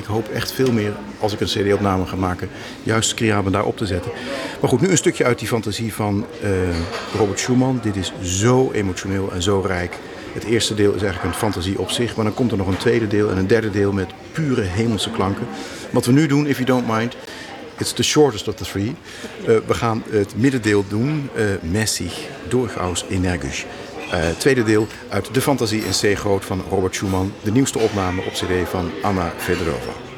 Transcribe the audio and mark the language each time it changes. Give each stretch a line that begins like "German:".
Dutch: Ik hoop echt veel meer, als ik een cd-opname ga maken, juist Scriabin daar op te zetten. Maar goed, nu een stukje uit die fantasie van Robert Schumann. Dit is zo emotioneel en zo rijk. Het eerste deel is eigenlijk een fantasie op zich, maar dan komt er nog een tweede deel en een derde deel met pure hemelse klanken. Wat we nu doen,
English: if you don't mind, it's the shortest of the three.
Dutch: We gaan het middendeel doen, messig, durchaus energisch. Tweede deel uit De Fantasie in C groot van Robert Schumann, de nieuwste opname op cd van Anna Fedorova.